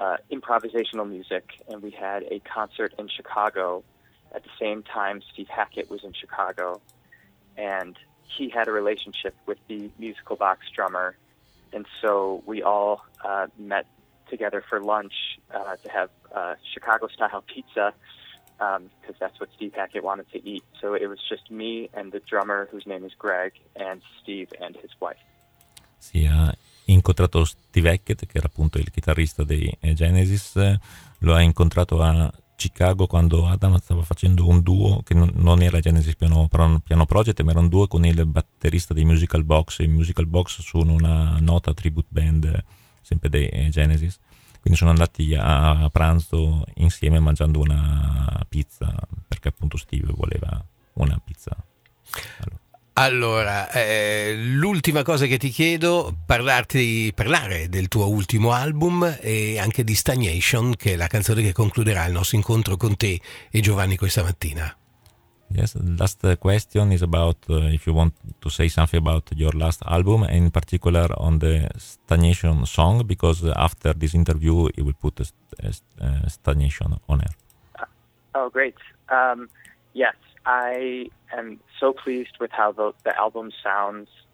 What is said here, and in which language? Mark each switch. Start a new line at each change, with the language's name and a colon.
English: improvisational music, and we had a concert in Chicago at the same time Steve Hackett was in Chicago, and he had a relationship with the Musical Box drummer, and so we all met together for lunch to have Chicago-style pizza, because that's what Steve Hackett wanted to eat. So it was just me and the drummer, whose name is Greg, and Steve and his wife.
Italian: Sì, ha incontrato Steve Hackett, che era appunto il chitarrista dei Genesis. Lo ha incontrato a Chicago quando Adam stava facendo un duo che non era Genesis Piano Project, ma era un duo con il batterista dei Musical Box. I Musical Box sono una nota tribute band sempre dei Genesis. Quindi sono andati a pranzo insieme mangiando una pizza, perché appunto Steve voleva una pizza. Allora, l'ultima cosa che ti chiedo, parlare del tuo ultimo album e anche di Stagnation, che è la canzone che concluderà il nostro incontro con te e Giovanni questa mattina.
English: Yes, last question is about if you want to say something about your last album, and in particular on the Stagnation song, because after this interview it will put Stagnation on air. Oh, great. Yes, I am so pleased with how the album sounds.